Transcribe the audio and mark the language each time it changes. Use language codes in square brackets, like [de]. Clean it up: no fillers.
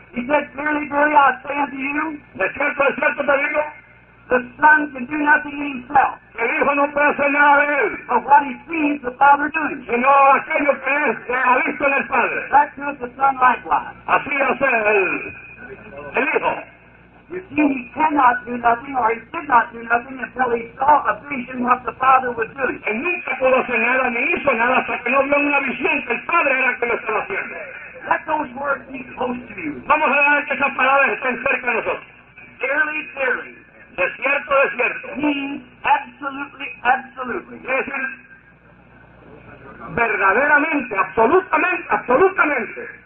[en] He said, clearly, clearly, I say unto you. [es] De cierto, de cierto te digo. [en] The Son can do nothing in himself. [es] El Hijo no puede hacer nada de él. [en] But what he sees the Father doing. [es] Sino aquello que es, que ha visto en el Padre. [en] That doeth the Son likewise. [es] Así hace el Hijo. [en] You see, he cannot do nothing, or he did not do nothing, until he saw a vision what the Father was doing. [es] Él nunca pudo hacer nada, ni hizo nada, hasta que no vio una visión que el Padre era que lo estaba haciendo. [en] Let those words be close to you. [es] Vamos a dejar que esas palabras estén cerca de nosotros. [en] Clearly, clearly. [es] De cierto, de cierto. [en] Means absolutely, absolutely. [es] Es verdaderamente, absolutamente, absolutamente.